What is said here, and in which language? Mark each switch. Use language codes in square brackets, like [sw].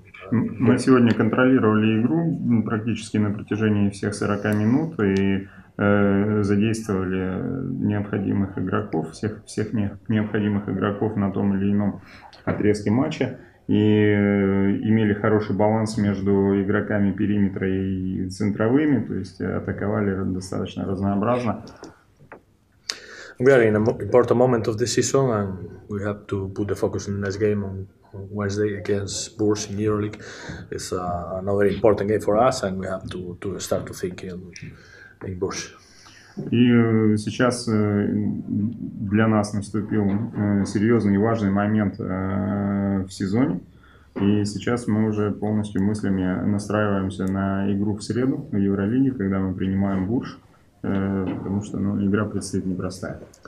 [ru] Мы сегодня контролировали игру практически на протяжении всех 40 минут и задействовали необходимых игроков, всех необходимых игроков на том или ином отрезке матча и имели хороший баланс между игроками периметра и центровыми, то есть атаковали достаточно разнообразно. [en] We are in an important moment of the season, and we have to put the focus on the next game on Wednesday against Bursa in EuroLeague. It's another important game for us, and we have to start to think in Bursa. [ru] И сейчас для нас наступил серьезный и важный момент в сезоне, и сейчас мы уже полностью мыслями настраиваемся на игру в среду в EuroLeague, когда мы принимаем Бурш. Потому что, ну, игра предстоит непростая.